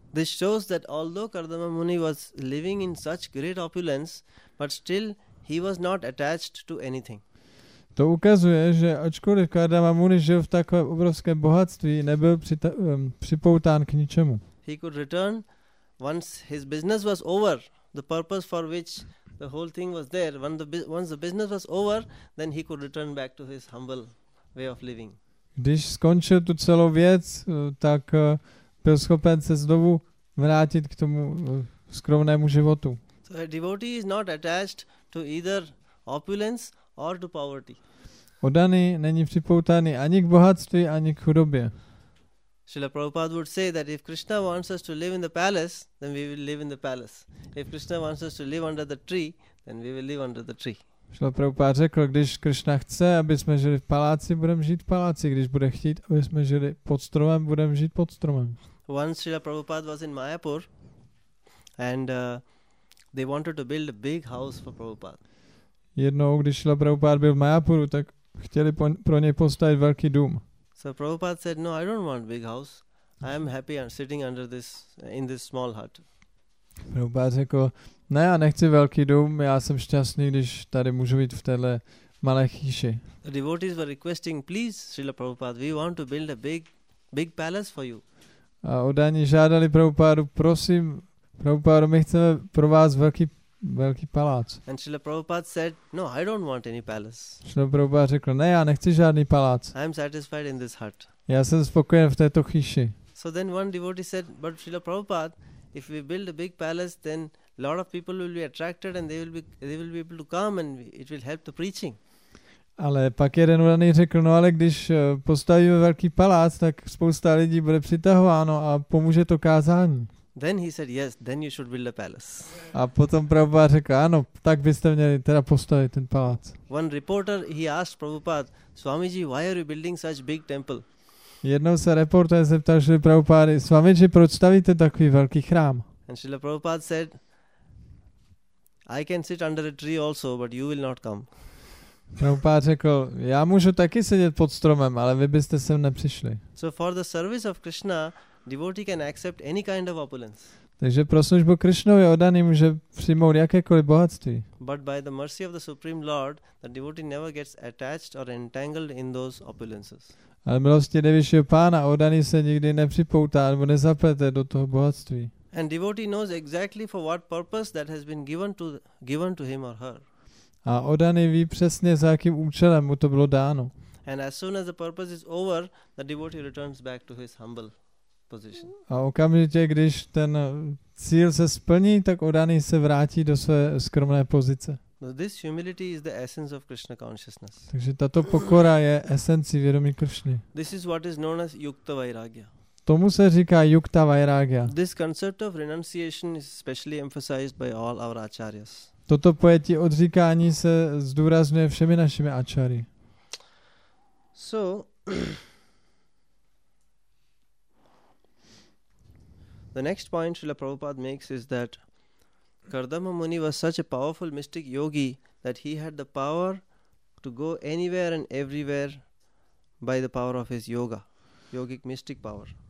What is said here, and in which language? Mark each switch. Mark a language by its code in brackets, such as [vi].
[en] This shows that although Kardama Muni was living in such great opulence, but still he was not attached to anything. [cs] To ukazuje, že ačkoliv Kardama Muni žil v takové obrovské bohatství, nebyl připoután k ničemu. [en] He could return once his business was over, the purpose for which the whole thing was there. Once the business was over, then he could return back to his humble way of living. [cs] Když skončil tu celou věc, tak byl schopen se znovu vrátit k tomu skromnému životu. [en] So a devotee is not attached to either opulence or to poverty. [cs] Oddaný není připoutaný ani k bohatství, ani k chudobě. [en] Srila Prabhupada would say that if Krishna wants us to live in the palace, then we will live in the palace. If Krishna wants us to live under the tree, then we will live under the tree. [cs] Srila Prabhupada řekl, když Krishna chce, aby jsme žili v paláci, budeme žít v paláci. Když bude chtít, aby jsme žili pod stromem, budeme žít pod stromem. [en] Once Srila Prabhupada was in Mayapur and they wanted to build a big house for Prabhupada. [cs] Jednou, když Srila Prabhupada byl v Mayapuru, tak chtěli pro něj postavit velký dům. [en] So Prabhupada said, no, I don't want big house. I am happy sitting under this, in this small hut. [cs] Prabhupada řekl, ne, já nechci velký dům, já jsem šťastný, když tady můžu být v téhle malé chýši. [en] The devotees were requesting, please, Srila Prabhupada, we want to build a big palace for you. [cs] A oddaní žádali Prabhupádu, prosím, Prabhupádu, my chceme pro vás velký palác. [en] And Srila Prabhupada said, no, I don't want any palace. [cs] Srila Prabhupada řekl, ne, já nechci žádný palác. [en] I am satisfied in this hut. [cs] Já jsem spokojen v této chýši. [en] So then one devotee said, but Srila Prabhupada, if we build a big palace, then lot of people will be attracted and they will be able to come and it will help the preaching. [cs] Ale pak jeden oddaný řekl, no ale když postavíme velký palác, tak spousta lidí bude přitahováno a pomůže to kázání. [en] Then he said, yes, then you should build a palace. [cs] A potom Prabhupád řekl, ano, tak byste měli teda postavit ten palác. [en] One reporter, he asked Prabhupád, Swamiji, why are you building such big temple? [cs] Jednou se reportér zeptal Srila Prabhupády, Swamiji, proč stavíte takový velký chrám? [en] And Srila Prabhupád said, I can sit under a tree also, but you will not come. [cs] Prabhupád řekl, já můžu taky sedět pod stromem, ale vy byste sem nepřišli. [en] So for the service of Krishna, devotee can accept any kind of opulence. [cs] Takže pro službu Krishnovi oddaný může přijmout jakékoliv bohatství. [en] But by the mercy of the Supreme Lord, the devotee never gets attached or entangled in those opulences. [cs] Ale milosti nejvyššího pána oddaný se nikdy nepřipoutá nebo nezaplete do toho bohatství. [en] And devotee knows exactly for what purpose that has been given to him or her. [cs] A oddaný ví přesně, za jakým účelem mu to bylo dáno. [en] And as soon as the purpose is over, the devotee returns back to his humble position. [cs] A okamžitě, když ten cíl se splní, tak oddaný se vrátí do své skromné pozice. [en] So this humility is the essence of Krishna consciousness. [cs] Takže tato pokora je esencí vědomí Krishny. [en] This is what is known as yukta vairagya. [cs] Tomu se říká yukta vairagya. [en] This concept of renunciation is specially emphasized by all our acharyas. [cs] Toto pojetí odříkání se zdůrazňuje všemi našimi acharyi. [en] So the next point Srila Prabhupada makes is that Kardama Muni was such a powerful mystic yogi that he had the power to go anywhere and everywhere by the power of his yoga, yogic mystic power.